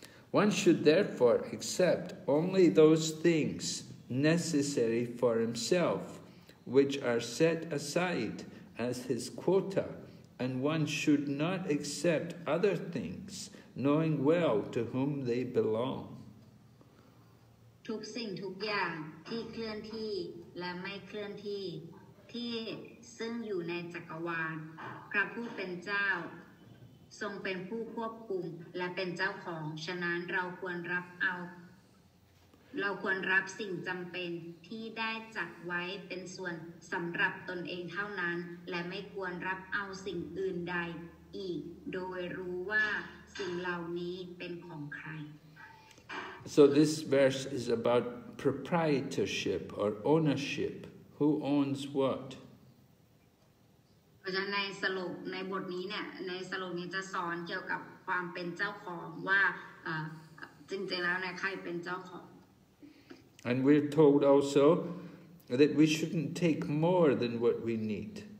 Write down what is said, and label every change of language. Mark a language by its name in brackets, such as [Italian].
[English] One should therefore accept only those things necessary for himself, which are set aside as his quota, and one should not accept other things, knowing well to whom they belong. [Thai] ทุกสิ่งทุกอย่างที่เคลื่อนที่และไม่เคลื่อนที่ที่ซึ่งอยู่ในจักรวาลพระผู้เป็นเจ้าทรงเป็นผู้ควบคุมและเป็นเจ้าของฉะนั้นเราควรรับเอาเราควรรับสิ่งจำเป็นที่ได้จัดไว้เป็นส่วนสำหรับตนเองเท่านั้นและไม่ควรรับเอาสิ่งอื่นใดอีกโดยรู้ว่าสิ่งเหล่านี้เป็นของใคร [English] So this verse is about proprietorship or ownership. Who owns what? [Thai] เพราะฉะนั้นในสรุปในบทนี้เนี่ยในสรุปนี้จะสอนเกี่ยวกับความเป็นเจ้าของว่าจริงๆแล้วในใครเป็นเจ้าของ [English] And we're told also that we shouldn't take more than what we need.